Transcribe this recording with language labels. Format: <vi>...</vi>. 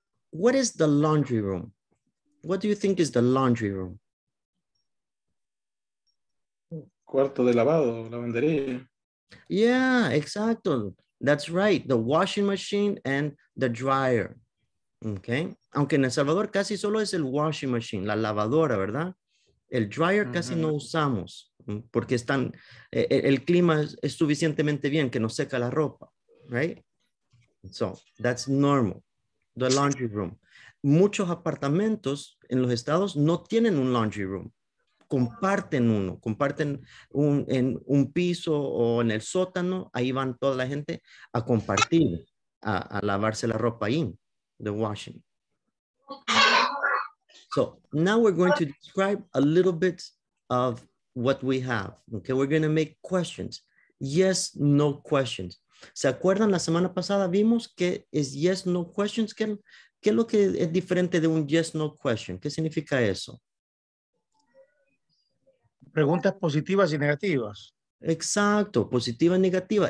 <en>What is the laundry room? What do you think is the laundry room?</en> <es>Cuarto de lavado, lavandería. Yeah, exacto.</es> <en>That's right, the washing machine and the dryer, okay?</en> <es>Aunque en El Salvador casi solo es el washing machine, la lavadora, ¿verdad? El dryer uh-huh. casi no usamos porque están, el clima es suficientemente bien que nos seca la ropa, right?</es> <en>So, that's normal, the laundry room.</en> <es>Muchos apartamentos en los estados no tienen un laundry room. Comparten uno, comparten un, en un piso o en el sótano, ahí van toda la gente a compartir, a lavarse la ropa ahí, the washing.</es> <en>So, now we're going to describe a little bit of what we have. Okay, we're going to make questions. Yes, no questions.</en> <es>¿Se acuerdan la semana pasada vimos que es yes, no questions? ¿Qué es lo que es diferente de un yes, no question? ¿Qué significa eso? Preguntas positivas y negativas. Exacto, positiva y negativa.</es>